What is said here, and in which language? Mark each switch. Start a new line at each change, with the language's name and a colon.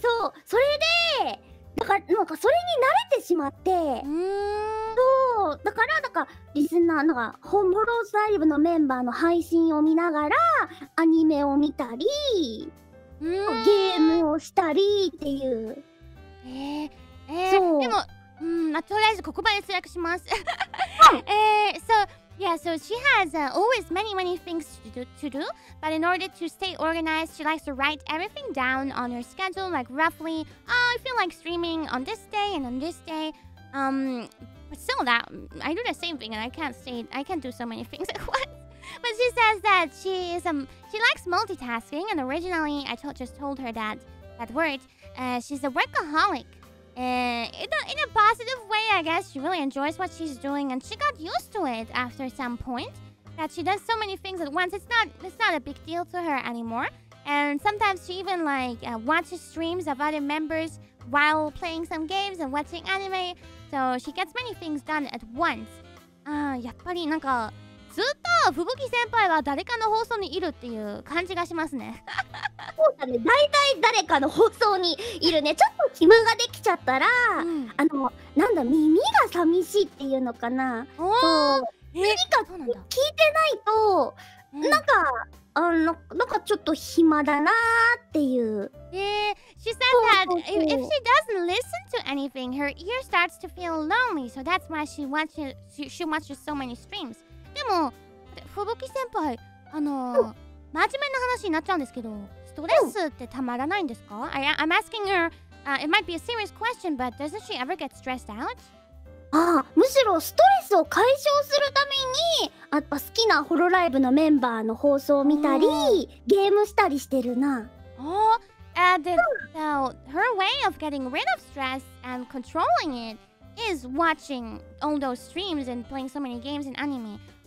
Japanese: そう、それでだから、なんかそれに慣れてしまって、そう、だからなんかリスナーなんかホンボローズライブのメンバーの配信を見ながらアニメを見たり、ゲームをしたりっていう。そう、でも、とりあえずここまで通訳します。
English: So yeah, so she has, always many many things to do, but in order to stay organized, she likes to write everything down on her schedule, like roughly, oh, I feel like streaming on this day and on this day. So that, I do the same thing and I can't do so many things at once. But she says that she is, she likes multitasking, and originally I just told her that word, she's a workaholic. In a positive way, I guess. She really enjoys what she's doing, and she got used to it after some point. That she does so many things at once, it's not a big deal to her anymore. And sometimes she even watches streams of other members while playing some games and watching anime. So she gets many things done at once.
Japanese: やっぱりなんかずっと吹雪先輩は誰かの放送にいるっていう感じがしますね。そうだね、大体誰かの放送にいるね。ちょっと暇ができちゃったら、なんだ、耳が寂しいっていうのかな。何か聞いてないと、なんか、なんかちょっと暇だなーっていう。
English: She said that if she doesn't listen to anything, her ear starts to feel lonely. So that's why she watches so many streams.
Japanese: でも、ふぶき先輩、真面目な話になっちゃうんですけど、ストレスってたまらないんですか？
English: I'm asking her, it might be a serious question, but doesn't she ever get stressed out?
Japanese: ああ、むしろストレスを解消するために、あ、好きなホロライブのメンバーの放送を見たり、ゲームしたりしてるな。
English: So, her way of getting rid of stress and controlling it is watching all those streams and playing so many games and anime.